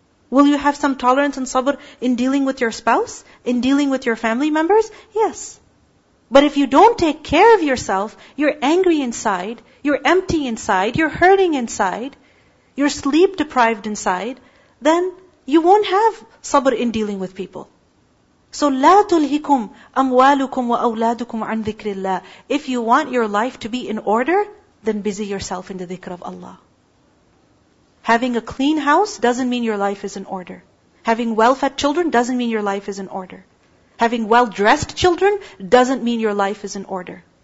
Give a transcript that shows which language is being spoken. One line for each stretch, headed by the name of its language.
English: Will you have some tolerance and sabr in dealing with your spouse? In dealing with your family members? Yes. But if you don't take care of yourself, you're angry inside, you're empty inside, you're hurting inside, you're sleep deprived inside, then you won't have sabr in dealing with people.
Arabic: So لا تلهكم أموالكم وأولادكم عن ذكر الله.
English: If you want your life to be in order, then busy yourself in the dhikr of Allah. Having a clean house doesn't mean your life is in order. Having well-fed children doesn't mean your life is in order. Having well-dressed children doesn't mean your life is in order.